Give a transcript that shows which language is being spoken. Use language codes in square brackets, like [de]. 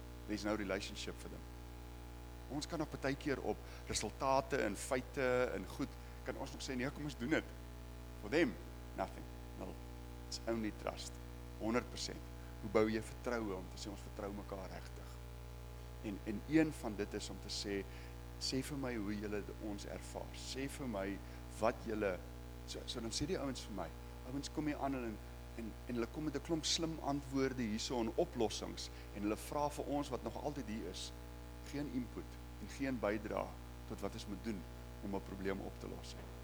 [en] There's no relationship for them. [af] Ons kan nog baie keer op resultate en feite en goed, kan ons nog sê, nee, kom ons doen dit. [en] For them, nothing. No, it's only trust. 100%. [af] Hoe bou jy vertroue om te sê, ons vertrou mekaar regtig? En een van dit is om te sê, sê vir my hoe julle ons ervaar. Sê vir my wat julle, so dan sê die ouens vir my, ouens kom hier aan en hulle kom met 'n klomp slim antwoorde hierso en oplossings en hulle vra vir ons wat nog altyd hier is, geen input en geen bydra tot wat ons moet doen om 'n probleem op te los.